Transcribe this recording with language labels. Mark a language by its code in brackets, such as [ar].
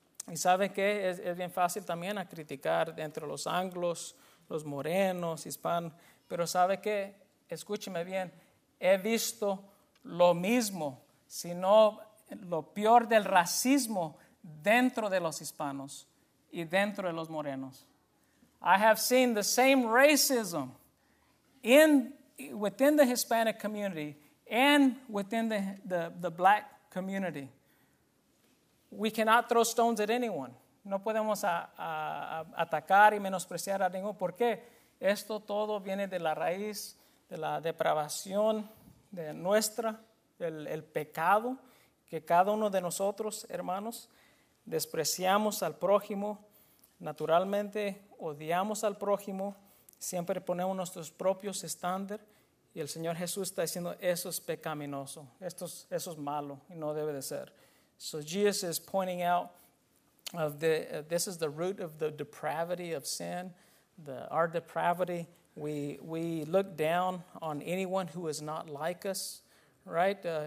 [es] Y sabe que es bien fácil también a criticar entre los anglos, los morenos, hispanos. Pero sabe que, escúcheme bien, he visto lo mismo, sino lo peor del racismo dentro de los hispanos y dentro de los morenos. [en] I have seen the same racism within the Hispanic community and within the black community. We cannot throw stones at anyone. [es] No podemos atacar y menospreciar a ninguno. ¿Por qué? Esto todo viene de la raíz de la depravación de nuestra, el pecado que cada uno de nosotros, hermanos, despreciamos al prójimo. Naturalmente odiamos al prójimo. Siempre ponemos nuestros propios estándares. Y el Señor Jesús está diciendo, eso es pecaminoso, eso es malo y no debe de ser. [en] So Jesus is pointing out of the this is the root of the depravity of sin, our depravity. We look down on anyone who is not like us, right?